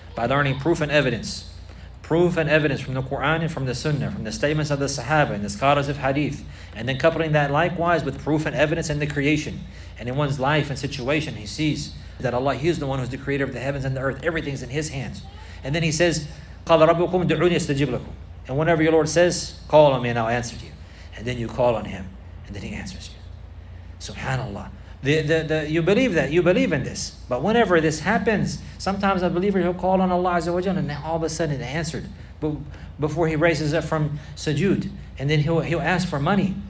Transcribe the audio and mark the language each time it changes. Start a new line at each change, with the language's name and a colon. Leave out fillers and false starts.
English: By learning proof and evidence. Proof and evidence from the Quran and from the Sunnah, from the statements of the Sahaba and the scholars of Hadith. And then coupling that likewise with proof and evidence in the creation. And in one's life and situation, he sees that Allah, He is the one who's the creator of the heavens and the earth. Everything's in His hands. And then he says,
Arabic: قَالَ رَبُّكُمْ دُعُونِي أَسْتَجِبْ لَكُمْ.
English: And whenever your Lord says, call on me and I'll answer you. And then you call on him and then he answers you. Subhanallah. You believe that, you believe in this. But whenever this happens, sometimes a believer, he'll call on Allah Azza wa Jalla and then all of a sudden it answered. But before he raises up from sujood, and then he'll ask for money.